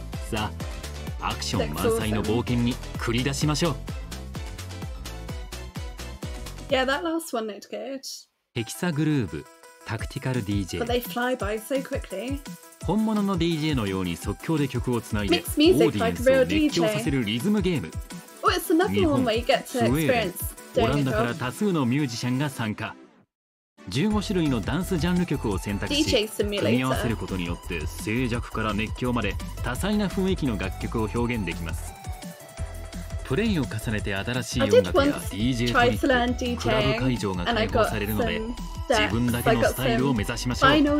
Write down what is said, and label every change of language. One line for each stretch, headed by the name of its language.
Japanese: さあ、アクション満載の冒険に繰り出しましょう。
English: Yeah, that last one looked good.
Japanese: ヘキサグルーブ、タクティカル DJ。
English: But they fly by so quickly.
Japanese: 本物の DJ のように即興で曲をつないでオーディエンスを熱狂させるリズムゲーム。
English: Oh, it's another one where you get to experience doing it all.
Japanese: オランダから多数のミュージシャンが参加。15種類のダンスジャンル曲を選択し組み合わせることによって静寂から熱狂まで多彩な雰囲気の楽曲を表現できます。プレイを重ねて新しい音楽や DJ トリック、クラブ会場が開放されるので自分だけのスタイルを目指しましょう。